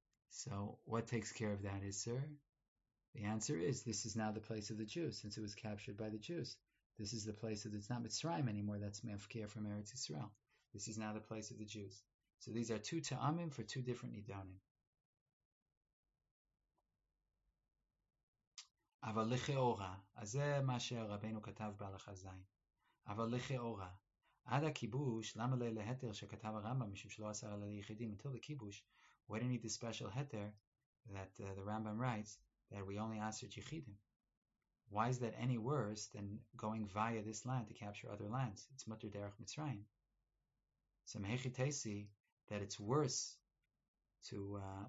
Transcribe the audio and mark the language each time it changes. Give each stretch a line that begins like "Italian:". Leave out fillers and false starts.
English: So what takes care of that Isser? The answer is this is now the place of the Jews since it was captured by the Jews. This is the place that it's not Mitzrayim anymore. That's Mafkir from Eretz Yisrael. This is now the place of the Jews. So these are two Ta'amim for two different Nidonim.
Hebrew: אבל לכאורה, אז זה מה שרבנו כתב בהלכה זין. אבל לכאורה, עד הכיבוש, למה להתר שכתב הרמב״ם משום שלא אסר על היחידים?
English: Until the kibush, why do you need the special heter that the Rambam writes that we only asked yichidim? Why is that any worse than going via this land to capture other lands? It's mutter derech Mitzrayim. So mehechitesi, that it's worse to...